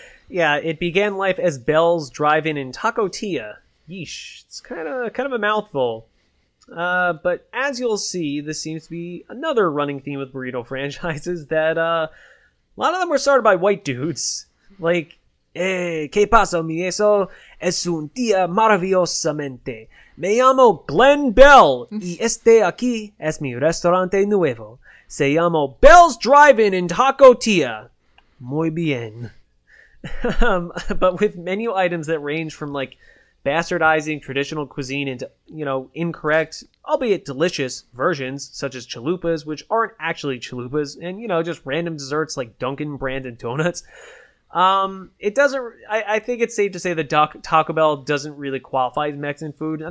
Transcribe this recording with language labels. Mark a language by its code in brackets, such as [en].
[en] Yeah, it began life as Bell's Drive-In and Tacotilla. Yeesh, it's kind of a mouthful. But as you'll see, this seems to be another running theme with burrito franchises that a lot of them were started by white dudes. Like, hey, [es] ¿qué pasa, mi eso? Es un día maravillosamente. Me llamo Glenn Bell, y este aquí es mi restaurante nuevo. Se llamo Bell's Drive-In and Tacotilla. Muy bien. [en] But with menu items that range from, like, bastardizing traditional cuisine into, you know, incorrect, albeit delicious, versions, such as chalupas, which aren't actually chalupas, and, you know, just random desserts like Dunkin' branded donuts, it doesn't, I think it's safe to say that Taco Bell doesn't really qualify as Mexican food.